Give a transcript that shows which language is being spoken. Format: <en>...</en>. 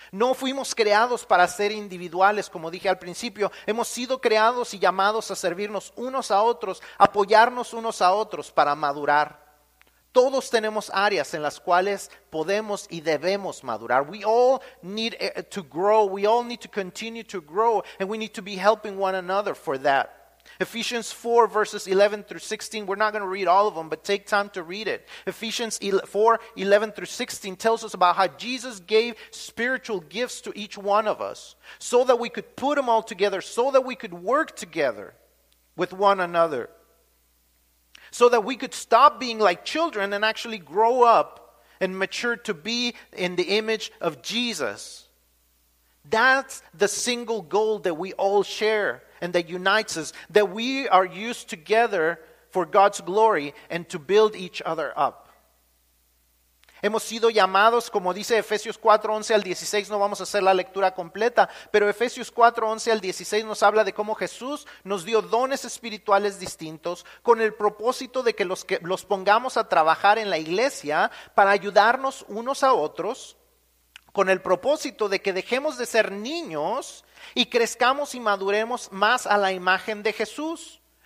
<es>No fuimos creados para ser individuales, como dije al principio. Hemos sido creados y llamados a servirnos unos a otros, apoyarnos unos a otros para madurar. Todos tenemos áreas en las cuales podemos y debemos madurar.</es> <en>We all need to grow. We all need to continue to grow. And we need to be helping one another for that. Ephesians 4 verses 11 through 16, we're not going to read all of them, but take time to read it. Ephesians 4, 11 through 16 tells us about how Jesus gave spiritual gifts to each one of us so that we could put them all together, so that we could work together with one another, so that we could stop being like children and actually grow up and mature to be in the image of Jesus. That's the single goal that we all share. And that unites us, that we are used together for God's glory and to build each other up.</en> <es>Hemos sido llamados, como dice Efesios 4, 11 al 16, no vamos a hacer la lectura completa, pero Efesios 4, 11 al 16 nos habla de cómo Jesús nos dio dones espirituales distintos con el propósito de que los pongamos a trabajar en la iglesia para ayudarnos unos a otros, con el propósito de que dejemos de ser niños y crezcamos y maduremos más a la imagen de Jesús.</es>